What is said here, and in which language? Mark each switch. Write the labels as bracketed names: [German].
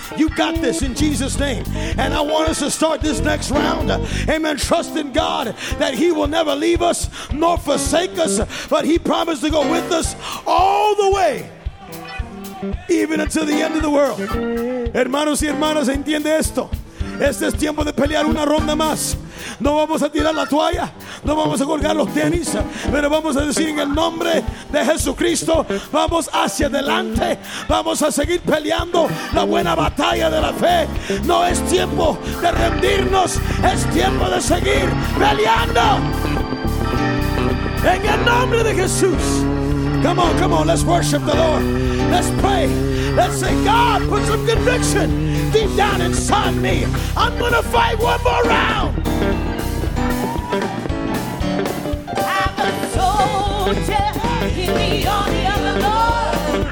[English] You got this in Jesus' name. And I want us to start this next round. Amen. Trust in God that he will never leave us nor forsake us, but he promised to go with us all the way, even until the end of the world. [Spanish] Hermanos y hermanas, entiende esto. Este es tiempo de pelear una ronda más. No vamos a tirar la toalla, no vamos a colgar los tenis, pero vamos a decir en el nombre de Jesucristo, vamos hacia adelante, vamos a seguir peleando la buena batalla de la fe. No es tiempo de rendirnos, es tiempo de seguir peleando. En el nombre de Jesús. [English] Come on, come on, let's worship the Lord. Let's pray. Let's say, God, put some conviction deep down inside me. I'm going to fight one more round. I'm a soldier in the army of the Lord.